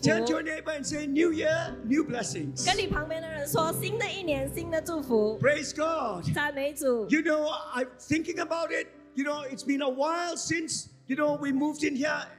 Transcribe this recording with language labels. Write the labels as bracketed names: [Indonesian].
[English] Turn to your neighbor and say, new year, new blessings. [Chinese] 跟你旁边的人说,新的一年,新的祝福. [English] Praise God. [Chinese] 赞美主. [English] You know, I'm thinking about it. You know, it's been a while since, you know, we moved in here.